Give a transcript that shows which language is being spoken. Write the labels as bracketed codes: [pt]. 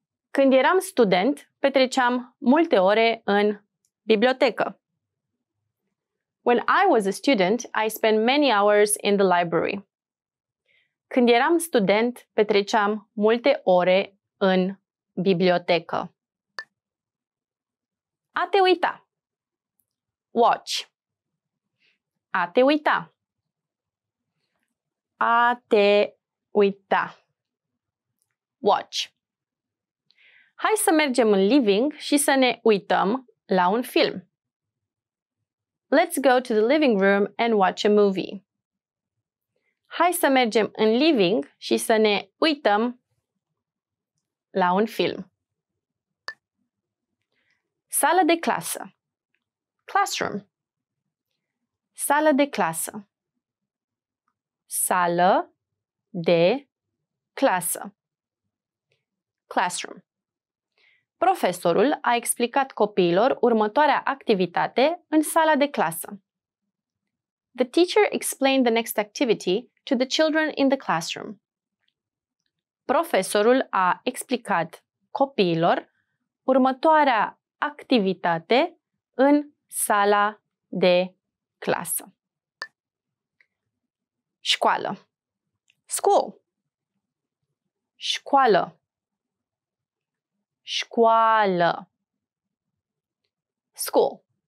[ro] Când eram student, petreceam multe ore în bibliotecă. [en] When I was a student, I spent many hours in the library. [ro] Când eram student, petreceam multe ore în bibliotecă. A te uita. [en] Watch. [ro] A te uita. A te uita. [en] Watch. [ro] Hai să mergem în living și să ne uităm la un film. [en] Let's go to the living room and watch a movie. [ro] Hai să mergem în living și să ne uităm la un film. Sala de clasă. [en] Classroom. [ro] Sala de clasă. Sala de clasă. [en] Classroom. [ro] Profesorul a explicat copiilor următoarea activitate în sala de clasă. [en] The teacher explained the next activity to the children in the classroom. [ro] Profesorul a explicat copiilor următoarea activitate în sala de clasă. Școală. [en] School. [ro] Școală. Școală. [en] School.